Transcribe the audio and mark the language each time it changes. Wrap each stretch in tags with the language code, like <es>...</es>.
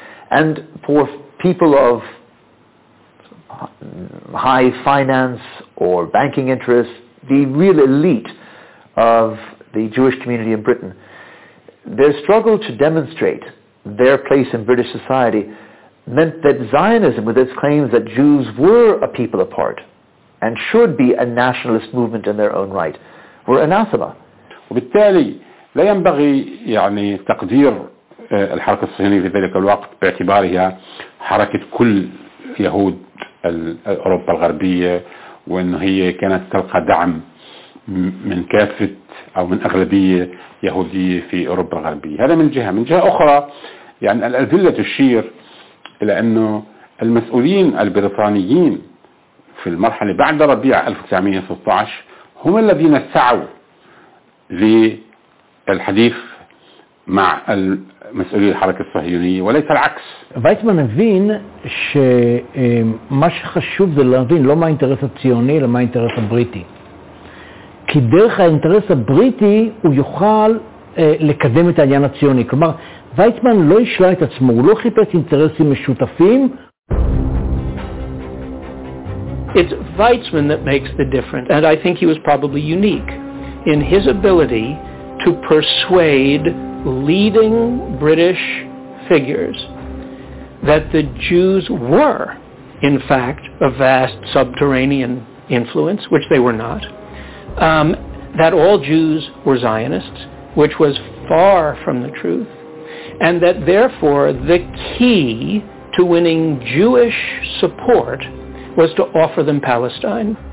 <en>And for people of high finance or banking interests, the real elite of the Jewish community in Britain, their struggle to demonstrate their place in British society meant that Zionism, with its claims that Jews were a people apart and should be a nationalist movement in their own right, were anathema.</en> <ar>وبالتالي لا ينبغي يعني تقدير الحركة الصهيونية في ذلك الوقت باعتبارها حركة كل يهود أوروبا الغربية، وأن هي كانت تلقى دعم من كافة أو من أغلبية يهودية في أوروبا الغربية. هذا من جهة. من جهة أخرى يعني الأدلة تشير إلى أنه المسؤولين البريطانيين في المرحلة بعد ربيع 1916 هم الذين سعوا للحديث مع المسؤولي الحركة الصهيونية وليس العكس.</ar> <he>ويتمان مبين שמה שחשוב זה להבין לא מה האינטרס הציוני אלא מה האינטרס הבריטי. כי דרך האינטרס הבריטי הוא יוכל לקדם את העניין הציוני. כלומר, ויצמן לא ישלה את עצמו, הוא לא חיפש אינטרסים משותפים.</he> <en>It's Weizmann that makes the difference, and I think he was probably unique in his ability to persuade leading British figures that the Jews were, in fact, a vast subterranean influence, which they were not, that all Jews were Zionists, which was far from the truth, and that therefore the key to winning Jewish support was to offer them Palestine.</en>